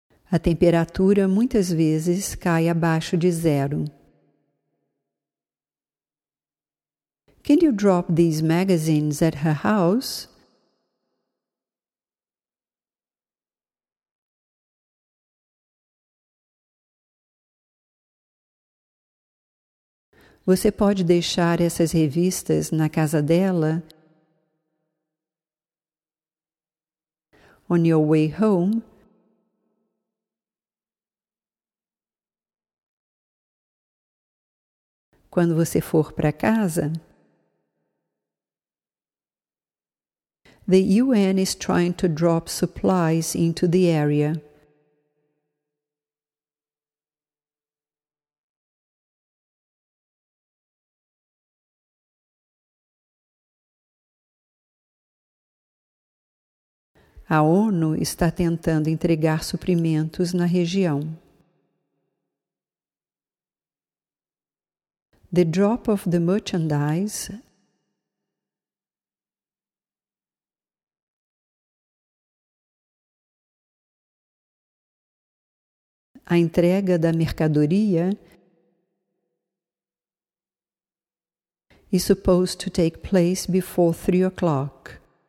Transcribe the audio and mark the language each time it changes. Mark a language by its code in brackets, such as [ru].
[pt] A temperatura muitas vezes cai abaixo de zero. [en] Can you drop these magazines at her house? [pt] Você pode deixar essas revistas na casa dela? [en] On your way home, [pt] quando você for para casa, [en] the UN is trying to drop supplies into the area. [pt] A ONU está tentando entregar suprimentos na região. [en] The drop of the merchandise [pt] a entrega da mercadoria [en] is supposed to take place before 3 o'clock.